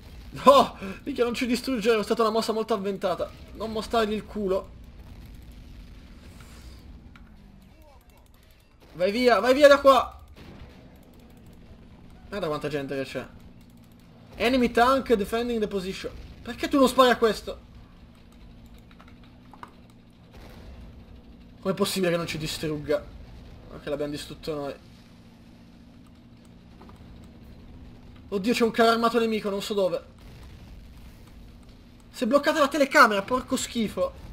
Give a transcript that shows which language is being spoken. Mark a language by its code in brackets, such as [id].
[it] No, mica non ci distruggere, è stata una mossa molto avventata. Non mostrargli il culo. Vai via da qua. Guarda quanta gente che c'è. [en] Enemy tank defending the position. [it] Perché tu non spari a questo? Com'è possibile che non ci distrugga? Ok, l'abbiamo distrutto noi. Oddio, c'è un carro armato nemico, non so dove. Si è bloccata la telecamera, porco schifo.